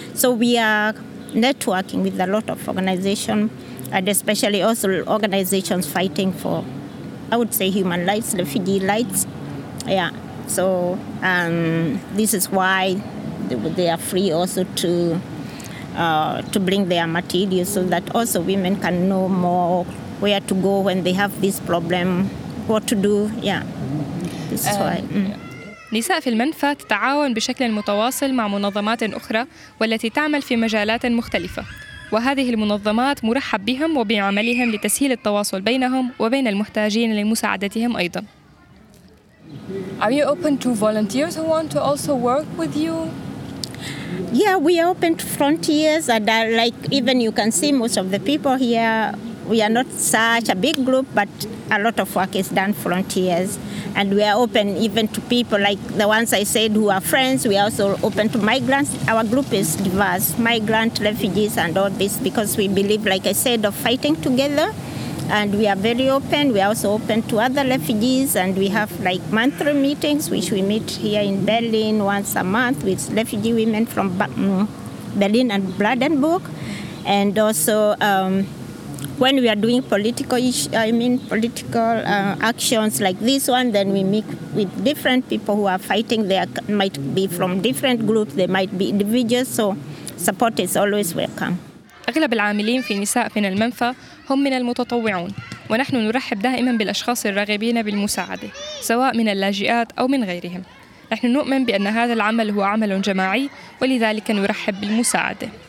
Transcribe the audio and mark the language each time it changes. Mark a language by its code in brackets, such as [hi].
[en] So we are networking with a lot of organizations, and especially also organizations fighting for, I would say, human rights, refugee rights. Yeah. So this is why they are free also to bring their materials so that also women can know more where to go when they have this problem, what to do. Yeah, this is why. [ar] نساء في المنفى تتعاون بشكل متواصل مع منظمات أخرى والتي تعمل في مجالات مختلفة، وهذه المنظمات مرحب بهم وبعملهم لتسهيل التواصل بينهم وبين المحتاجين لمساعدتهم أيضا. [en] Are you open to volunteers who want to also work with you? Yeah, we are open to frontiers, and like even you can see most of the people here, we are not such a big group, but a lot of work is done frontiers, and we are open even to people like the ones I said who are friends. We are also open to migrants. Our group is diverse, migrant, refugees and all this, because we believe, like I said, of fighting together, and we are very open. We are also open to other refugees, and we have like monthly meetings which we meet here in Berlin once a month with refugee women from Berlin and Brandenburg. And also when we are doing political actions like this one, then we meet with different people who are fighting. They might be from different groups, they might be individuals, so support is always welcome. [ar] أغلب العاملين في نساء من المنفى هم من المتطوعون، ونحن نرحب دائما بالأشخاص الراغبين بالمساعدة سواء من اللاجئات أو من غيرهم. نحن نؤمن بأن هذا العمل هو عمل جماعي، ولذلك نرحب بالمساعدة.